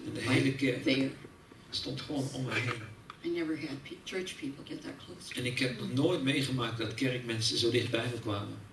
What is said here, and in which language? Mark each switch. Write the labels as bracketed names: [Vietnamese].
[Dutch] en de hele kerk stond gewoon om me heen. [English] I never had church people get that close. [Dutch] En ik heb nog nooit meegemaakt dat kerkmensen zo dichtbij me kwamen.